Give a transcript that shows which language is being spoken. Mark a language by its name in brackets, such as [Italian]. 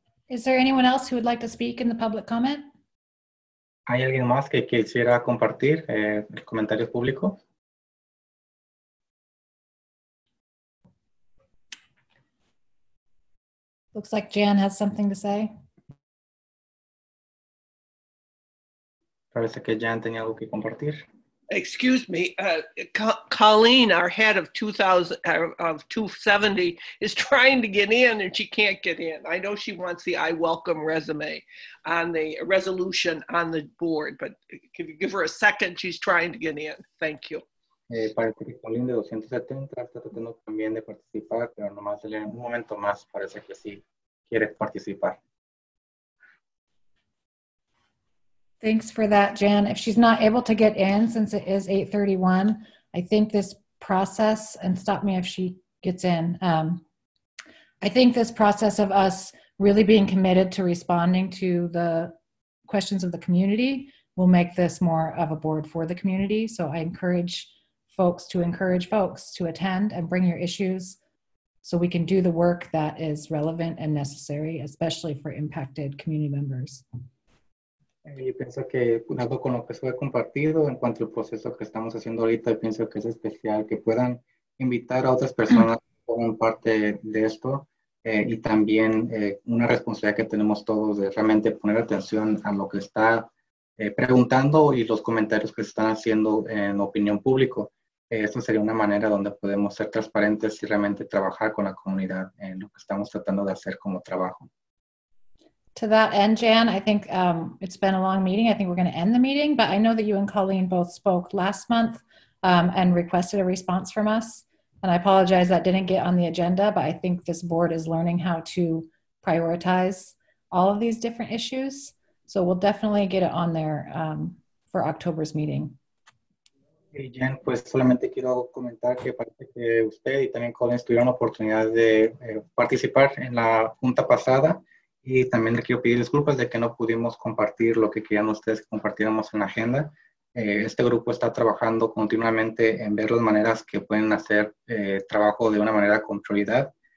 [English] Is there anyone else who would like to speak in the public comment? [Spanish] ¿Hay alguien más que quisiera compartir el comentario público? [English] Looks like Jan has something to say. [Spanish] Parece que Jan tenía algo que compartir. [English] Excuse me, Colleen, our head of 270, is trying to get in and she can't get in. I know she wants the I welcome resume on the resolution on the board, but can you give her a second? She's trying to get in. Thank you. [Spanish] Parece que Colleen de 270 está tratando también de participar, pero nomás en un momento más parece que sí quiere participar. [English] Thanks for that, Jan. If she's not able to get in, since it is 8:31, I think this process, and stop me if she gets in, I think this process of us really being committed to responding to the questions of the community will make this more of a board for the community. So I encourage folks to attend and bring your issues so we can do the work that is relevant and necessary, especially for impacted community members. [Spanish] Y pienso que, dado con lo que se ha compartido en cuanto al proceso que estamos haciendo ahorita, pienso que es especial que puedan invitar a otras personas que forman parte de esto y también una responsabilidad que tenemos todos de realmente poner atención a lo que está preguntando y los comentarios que se están haciendo en opinión pública. Esto sería una manera donde podemos ser transparentes y realmente trabajar con la comunidad en lo que estamos tratando de hacer como trabajo. [English] To that end, Jan, I think it's been a long meeting. I think we're going to end the meeting, but I know that you and Colleen both spoke last month and requested a response from us. And I apologize that didn't get on the agenda, but I think this board is learning how to prioritize all of these different issues. So we'll definitely get it on there for October's meeting. [Spanish] Hey, Jan, pues solamente quiero comentar que parece que usted y también Colleen tuvieron la oportunidad de participar en la junta pasada. Y también le quiero pedir disculpas de que no pudimos compartir lo que querían ustedes que compartiéramos en la agenda. Este grupo está trabajando continuamente en ver las maneras que pueden hacer trabajo de una manera con prioridad.